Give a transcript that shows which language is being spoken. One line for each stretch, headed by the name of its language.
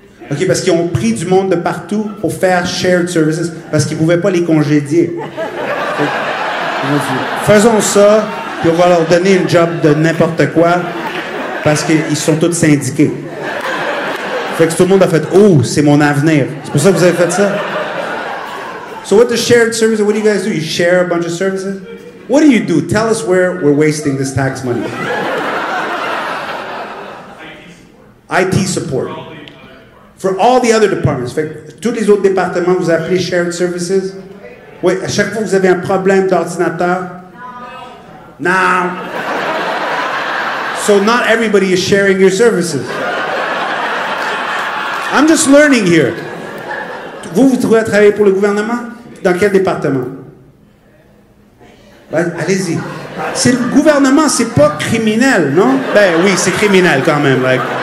French: OK, parce qu'ils ont pris du monde de partout pour faire shared services, parce qu'ils ne pouvaient pas les congédier. Faisons ça, puis on va leur donner une job de n'importe quoi, parce qu'ils sont tous syndiqués. Fait que tout le monde a fait « Oh, c'est mon avenir ». C'est pour ça que vous avez fait ça.
English: So what the shared services, what do you guys do? You share a bunch of services? What do you do? Tell us where we're wasting this tax money. IT support. IT support. For all the other departments.
French: Fait que tous les autres départements, vous appelez shared services? Oui, à chaque fois que vous avez un problème d'ordinateur? Non.
English: So not everybody is sharing your services. I'm just learning here.
French: Vous, vous trouvez à travailler pour le gouvernement? Dans quel département? Ben, allez-y. C'est le gouvernement, c'est pas criminel, non? Ben oui, c'est criminel quand même. Like.